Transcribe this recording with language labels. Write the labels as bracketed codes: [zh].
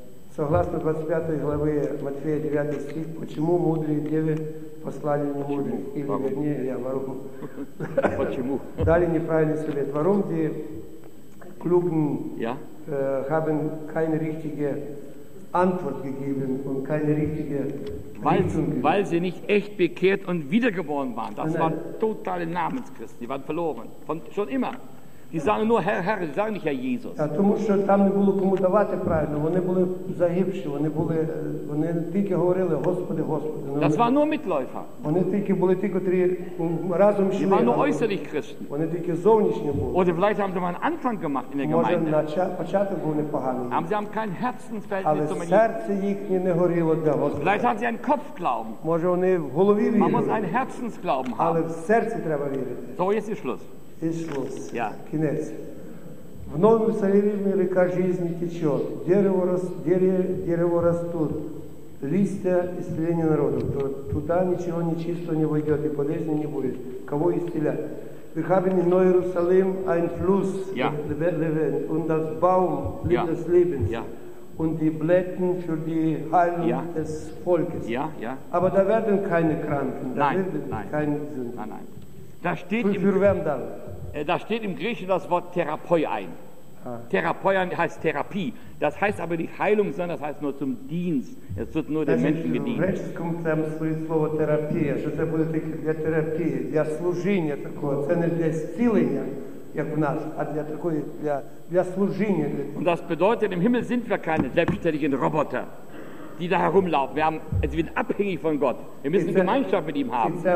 [ru] Согласно 25 главе Матфея 9 стих, почему мудрые девы послали не мудрых? Или вернее, я ворум. Почему? Дали неправильный совет. [de] Warum die Klugen haben keine richtige Antwort gegeben und keine richtige. Weil sie nicht echt bekehrt und wiedergeboren waren. Das waren totale Namenschristen. Die waren verloren. Schon immer. Die sagen nur Herr, Herr. Sie sagen nicht Herr Jesus. [uk] Ja, тому що там не було кому давати правильно. Вони були загибші. Вони тільки говорили Господи, Господи. [de] Das waren nur Mitläufer. [uk] Вони тільки були ті, котрі разом шли. [de] Die waren nur äußerlich Christen. [uk] Вони тільки зовнішні були. [de] Oder vielleicht haben sie mal einen Anfang gemacht in der Gemeinde. [uk] Може, початок був непоганий. [de] Aber sie haben kein Herzensverhältnis. [uk] Але серце їхнє не горіло для Господа. [de] Vielleicht haben sie einen Kopfglauben. [uk] Може, вони в голові вірили. [de] Man muss einen Herzensglauben haben. [uk] Але в серці треба вірити. [de] So, jetzt ist Schluss. [uk] Ja. Кінець. В новому Єрусалимі ріка життя тече. [ru] Дерево растут. Листя исцеления народу. Туда ничего нечистого не войдет и болезни не будет. Кого исцелять? [de] Wir haben in Neu-Jerusalem einen Fluss. Ja. Und das Baum des Lebens. Ja. Und die Blätter für die Heilung des Volkes. Ja, ja. Aber da werden keine Kranken. Da nein. Keine Sünden. Da steht im Griechischen das Wort Therapeu ein. Ah. Therapeu heißt Therapie. Das heißt aber nicht Heilung, sondern das heißt nur zum Dienst. Es wird nur den Menschen gedient. [uk] В грецькому там стоїть слово терапія, що це буде таке для терапії, для служіння такого. Це не для зцілення, як в нас, а для такої для служіння. [de] Und das bedeutet, im Himmel sind wir keine selbstständigen Roboter, die da herumlaufen. Wir sind abhängig von Gott. Wir müssen Gemeinschaft mit ihm haben.